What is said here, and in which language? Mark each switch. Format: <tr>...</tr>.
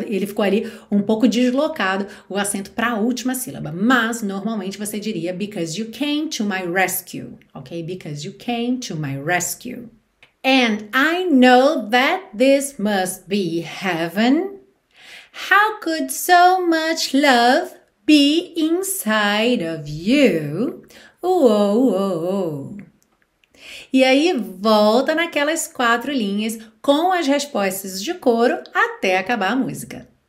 <pt>Ele ficou ali um pouco deslocado o acento para a última sílaba. Mas normalmente você diria</pt> <en>because you came to my rescue,</en> <pt>ok?</pt> <en>Because you came to my rescue. And I know that this must be heaven. How could so much love be inside of you? Uou, uou, uou.</en> <pt>E aí volta naquelas quatro linhas com as respostas de coro até acabar a música.</pt>